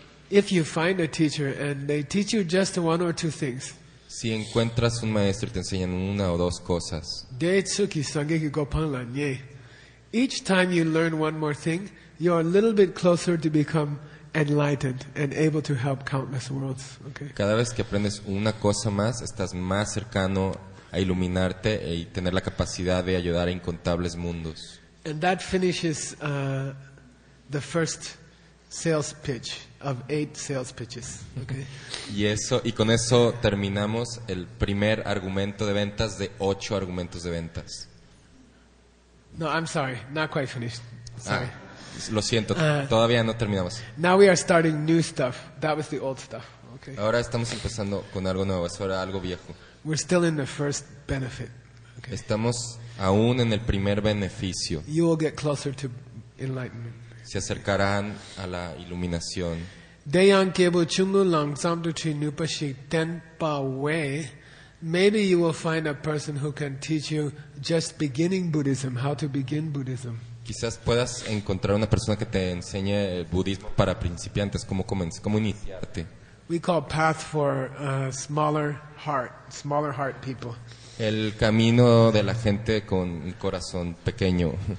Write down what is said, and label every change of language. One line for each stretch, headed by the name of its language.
English: If you find a teacher and they teach you just one or two things,
Spanish: si encuentras un maestro y te enseñan una o dos cosas,
English: each time you learn one more thing, you are a little bit closer to become enlightened and able to help countless worlds. Okay.
Spanish: Cada vez que aprendes una cosa más, estás más cercano a iluminarte y tener la capacidad de ayudar a incontables mundos.
English: And that finishes the first sales pitch of 8 sales pitches. Okay.
Spanish: Y con eso terminamos el primer argumento de ventas de 8 argumentos de ventas.
English: No, I'm sorry, not quite finished. Sorry.
Spanish: Lo siento, todavía no terminamos.
English: Now we are starting new stuff. That was the old stuff. Okay.
Spanish: Ahora estamos empezando con algo nuevo, eso era algo viejo.
English: We're still in the first benefit.
Spanish: Okay. Estamos aún en el primer beneficio.
English: You will get closer to enlightenment.
Spanish: Se acercarán a la iluminación.
Tibetan: Deyan kebu chungu lang samdu chi nupa shi tenpa wei.
English: Maybe you will find a person who can teach you just beginning Buddhism, how to begin Buddhism.
Spanish: Quizás puedas encontrar una persona que te enseñe el budismo para principiantes, cómo iniciarte.
English: We call path for smaller heart people.
Spanish: El camino de la gente con el corazón pequeño.